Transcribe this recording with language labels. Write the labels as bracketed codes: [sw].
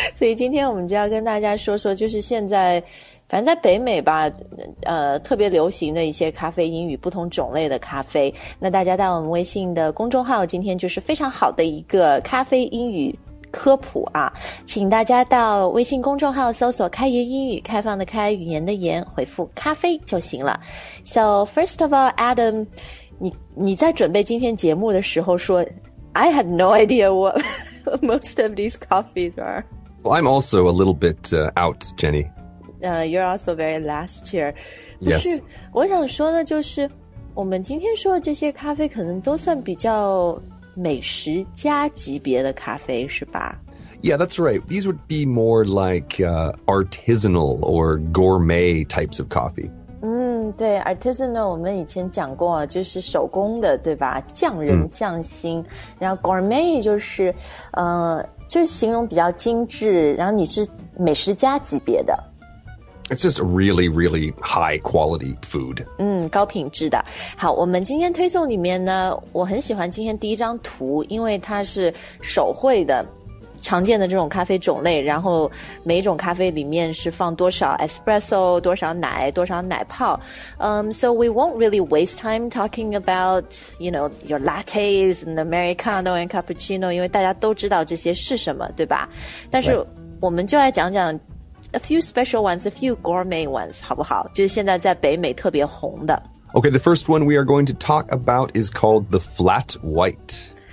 [zh] 所以今天我们就要跟大家说说，就是现在，反正在北美吧，特别流行的一些咖啡英语，不同种类的咖啡。那大家到我们微信的公众号，今天就是非常好的一个咖啡英语科普啊，请大家到微信公众号搜索开言英语，开放的开，语言的言，回复咖啡就行了。 [en] So first of all, Adam, 你在准备今天节目的时候说 I had no idea what most of these coffees are. Well, I'm also a little bit out, Jenny. You're also very last year. Yes. [zh] 我想说的就是我们今天说的这些咖啡可能都算比较美食家级别的咖啡是吧 [en] Yeah, that's right. These would be more like artisanal or gourmet types of coffee. [zh] 对 ,artisanal 我们以前讲过就是手工的对吧匠人匠心、嗯、然后 gourmet 就是形容比较精致然后你是美食家级别的。 [en] It's just really, really high quality food. [zh] 高品质的。好，我们今天推送里面呢，我很喜欢今天第一张图，因为它是手绘的，常见的这种咖啡种类，然后每一种咖啡里面是放多少 espresso, 多少奶，多少奶泡。 [en] So we won't really waste time talking about, you know, your lattes and Americano and cappuccino, 因为大家都知道这些是什么，对吧？但是我们就来讲讲 A few special ones, a few gourmet ones, 好不好？ [zh] 就是现在在北美特别红的。 [en] Okay, the first one we are going to talk about is called the flat white.